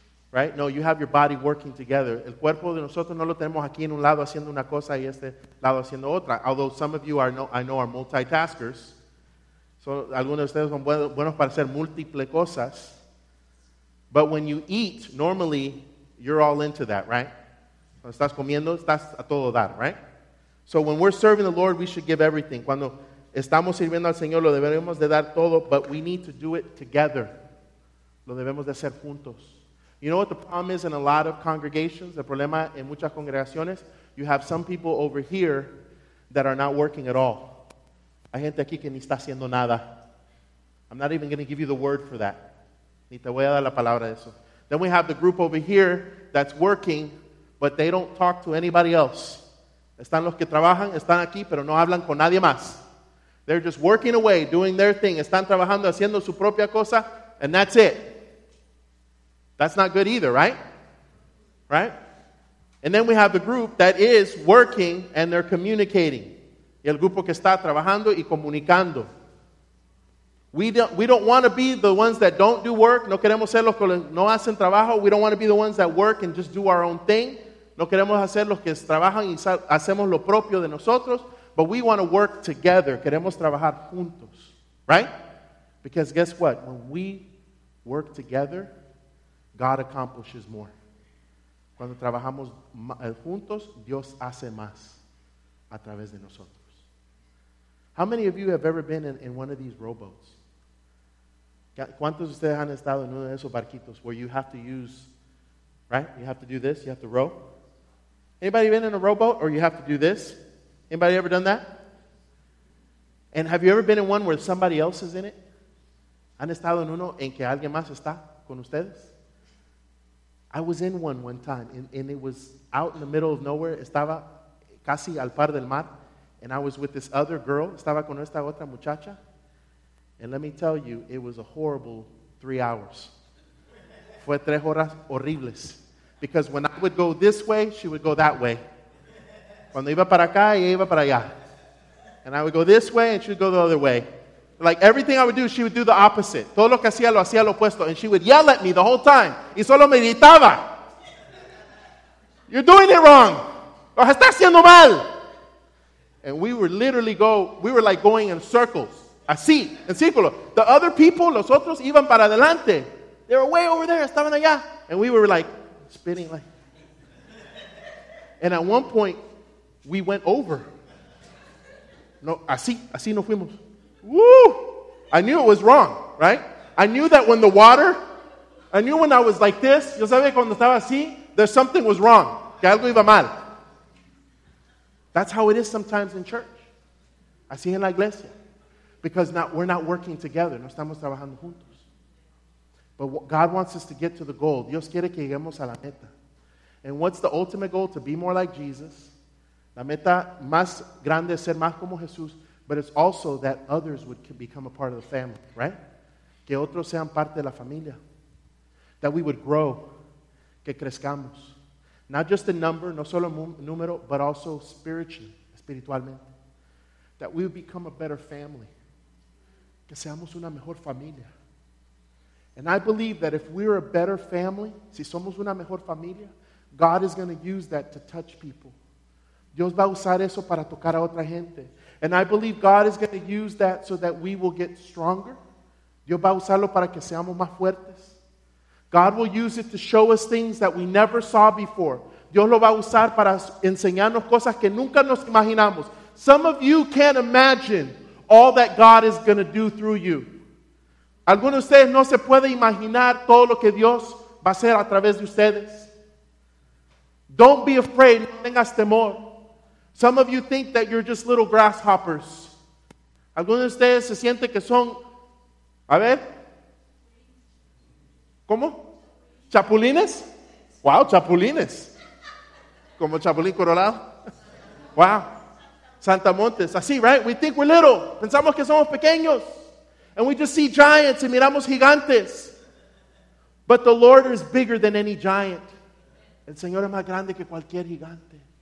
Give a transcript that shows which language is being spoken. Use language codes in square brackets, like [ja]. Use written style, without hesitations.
[en] Right? No, you have your body working together. [es] El cuerpo de nosotros no lo tenemos aquí en un lado haciendo una cosa y este lado haciendo otra. [en] Although some of you are, I know, are multitaskers. [es] So, algunos de ustedes son buenos para hacer múltiples cosas. [en] But when you eat, normally, you're all into that, right? [es] Cuando estás comiendo, estás a todo dar, right? [en] So, when we're serving the Lord, we should give everything. [es] Cuando estamos sirviendo al Señor, lo debemos de dar todo, [en] but we need to do it together. [es] Lo debemos de hacer juntos. [en] You know what the problem is in a lot of congregations? [es] El problema en muchas congregaciones, [en] you have some people over here that are not working at all. [es] Hay gente aquí que ni está haciendo nada. [en] I'm not even going to give you the word for that. [es] Ni te voy a dar la palabra de eso. [en] Then we have the group over here that's working, but they don't talk to anybody else. [es] Están los que trabajan, están aquí, pero no hablan con nadie más. [en] They're just working away, doing their thing. [es] Están trabajando, haciendo su propia cosa, [en] and that's it. That's not good either, right? Right? And then we have the group that is working and they're communicating. [es] Y el grupo que está trabajando y comunicando. [en] We don't want to be the ones that don't do work. [es] No queremos ser los que no hacen trabajo. [en] We don't want to be the ones that work and just do our own thing. [es] No queremos hacer los que trabajan y hacemos lo propio de nosotros. [en] But we want to work together. [es] Queremos trabajar juntos. [en] Right? Because guess what? When we work together, God accomplishes more. [es] Cuando trabajamos juntos, Dios hace más a través de nosotros. [en] How many of you have ever been in one of these rowboats? [es] ¿Cuántos de ustedes han estado en uno de esos barquitos [en] where you have to use, right? You have to do this, you have to row. Anybody been in a rowboat or you have to do this? Anybody ever done that? And have you ever been in one where somebody else is in it? [es] ¿Han estado en uno en que alguien más está con ustedes? [en] I was in one time, and it was out in the middle of nowhere. [es] Estaba casi al par del mar, [en] and I was with this other girl. [es] Estaba con esta otra muchacha. [en] And let me tell you, it was a horrible 3 hours. [es] Fue tres horas horribles. [en] Because when I would go this way, she would go that way. [es] Cuando iba para acá, ella iba para allá. [en] And I would go this way, and she would go the other way. Like everything I would do, she would do the opposite. [es] Todo lo que hacía, lo hacía lo opuesto. [en] And she would yell at me the whole time. [es] Y solo me gritaba. [en] You're doing it wrong. [es] Lo está haciendo mal. [en] And we were going in circles. [es] Así, en círculo. [en] The other people, [es] los otros, iban para adelante. [en] They were way over there. [es] Estaban allá. [en] And we were like spinning. Like. And at one point, we went over. [es] No, así nos fuimos. [en] Woo! I knew it was wrong, right? I knew when I was like this, [es] yo sabía cuando estaba así, [en] that something was wrong. [es] Que algo iba mal. [en] That's how it is sometimes in church. [es] Así en la iglesia. [en] Because we're not working together. [es] No estamos trabajando juntos. [en] But God wants us to get to the goal. [es] Dios quiere que lleguemos a la meta. [en] And what's the ultimate goal? To be more like Jesus. [es] La meta más grande es ser más como Jesús. [en] But it's also that others would become a part of the family, right? [es] Que otros sean parte de la familia. [en] That we would grow. [es] Que crezcamos. [en] Not just in number, [es] no solo número, [en] but also spiritually, [es] espiritualmente. [en] That we would become a better family. [es] Que seamos una mejor familia. [en] And I believe that if we're a better family, [es] si somos una mejor familia, [en] God is going to use that to touch people. [es] Dios va a usar eso para tocar a otra gente. [en] And I believe God is going to use that so that we will get stronger. [es] Dios va a usarlo para que seamos más fuertes. [en] God will use it to show us things that we never saw before. [es] Dios lo va a usar para enseñarnos cosas que nunca nos imaginamos. [en] Some of you can't imagine all that God is going to do through you. [es] Algunos de ustedes no se puede imaginar todo lo que Dios va a hacer a través de ustedes. [en] Don't be afraid. [es] No tengas temor. [en] Some of you think that you're just little grasshoppers. [es] Algunos de ustedes se sienten que son, a ver, ¿cómo? ¿Chapulines? Wow, chapulines. Como chapulín colorado. Wow. Santa Montes. Así, right? [en] We think we're little. [es] Pensamos que somos pequeños. [en] And we just see giants [es] y miramos gigantes. [en] But the Lord is bigger than any giant. [es] El Señor es más grande que cualquier gigante.